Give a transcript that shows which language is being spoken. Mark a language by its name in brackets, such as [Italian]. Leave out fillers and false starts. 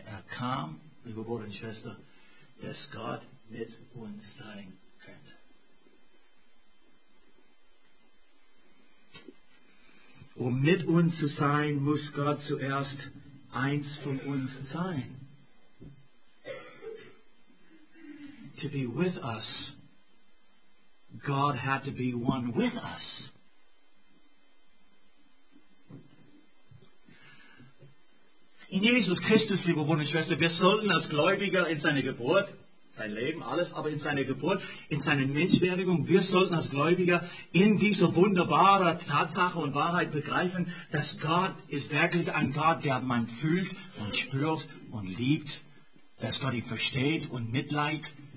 [German] Er kam, liebe Bruder und Schwester, dass Gott mit uns sein könnte. Um mit uns zu sein, muss Gott zuerst eins von uns sein. [English] To be with us, God had to be one with us. [German] In Jesus Christus, liebe Brüder und Schwestern, wir sollten als Gläubiger in seine Geburt, sein Leben, alles, aber in seine Geburt, in seine Menschwerdigung, wir sollten als Gläubiger in dieser wunderbaren Tatsache und Wahrheit begreifen, dass Gott ist wirklich ein Gott, der man fühlt und spürt und liebt, dass Gott ihn versteht und mitleidet.